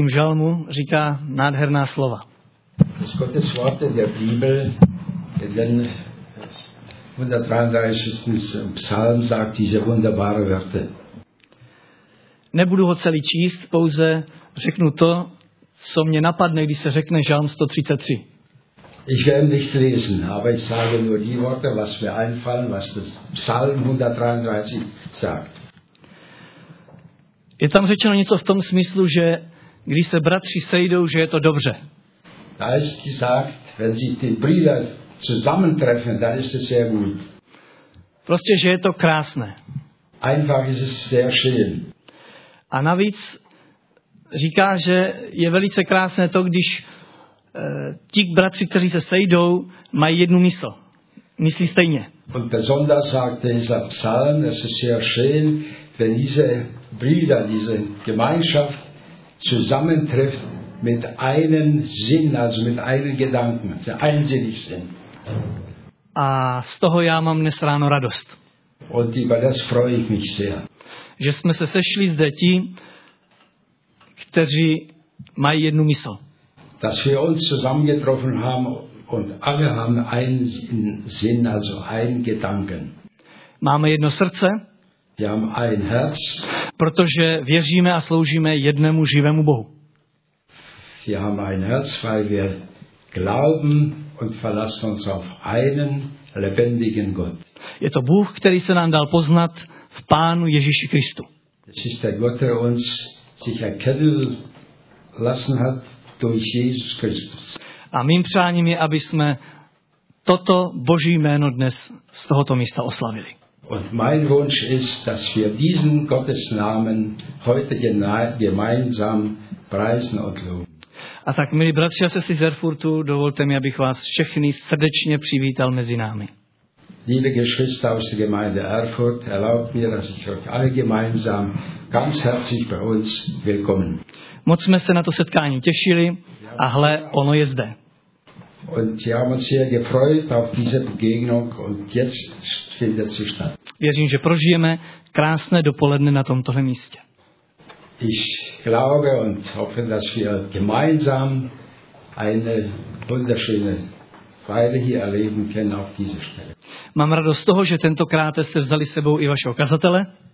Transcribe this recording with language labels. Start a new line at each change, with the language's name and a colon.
Czech: žalmu říká nádherná slova.
German: Das Gottes Wort in der Bibel in den 133. Psalm sagt diese wunderbare Worte.
Czech: Nebudu ho celý číst, pouze řeknu to, co mě napadne, když se řekne žalm 133.
German: Ich werde nicht lesen, aber ich sage nur die Worte, was mir einfallen, was das Psalm 133 sagt.
Czech: Je tam řečeno něco v tom smyslu, že když se bratři sejdou, že je to dobře.
German: Da ist gesagt, wenn sich die Brüder zusammentreffen, dann ist es sehr gut.
Czech: Prostě, že je to krásné.
German: Einfach ist es sehr schön.
Czech: A navíc říká, že je velice krásné to, když ti bratři, kteří se sejdou, mají jednu mysl. Myslí stejně.
German: Und besonders sagt dieser Psalm, es ist sehr schön, wenn diese Brüder, diese Gemeinschaft zusammentrifft mit einem Sinn, also mit einem Gedanken, der einsinnig sind.
Czech: A z toho já mám dnes ráno radost.
German: Und über das freue ich mich sehr.
Czech: Že jsme se sešli zde ti, kteří mají jednu mysl.
German: Dass wir uns zusammengetroffen haben und alle haben einen Sinn, also einen Gedanken.
Czech: Máme jedno srdce.
German: Wir haben ein Herz.
Czech: Protože věříme a sloužíme jednému živému Bohu.
German: Wir haben ein Herz, weil wir glauben und verlassen uns auf einen lebendigen Gott.
Czech: Je to Bůh, který se nám dal poznat v Pánu Ježíši Kristu.
German: Es ist der Gott, der uns sich erkennen lassen hat durch Jesus Christus.
Czech: A mým přáním je, aby jsme toto Boží jméno dnes z tohoto místa oslavili.
German: Und mein Wunsch ist, dass wir diesen Gottesnamen heute gemeinsam preisen und loben.
Czech: A tak, milí bratři a sestry z Erfurtu, dovolte mi, abych vás všechny srdečně přivítal mezi námi.
German: Liebe Geschwister aus der Gemeinde Erfurt, erlaubt mir, dass ich euch alle gemeinsam ganz herzlich bei uns willkommen.
Czech: Moc jsme se na to setkání těšili a hle, ono je zde.
German: Und wir haben uns sehr gefreut auf diese Begegnung und jetzt findet sie statt.
Czech: Věřím, že prožijeme krásné dopoledne na tomtohle místě.
German: Ich glaube und hoffe, dass wir gemeinsam eine wunderschöne Weile hier erleben können auf dieser Stelle.
Czech: Mám radost toho, že tentokrát jste vzali s sebou i vašeho kazatele.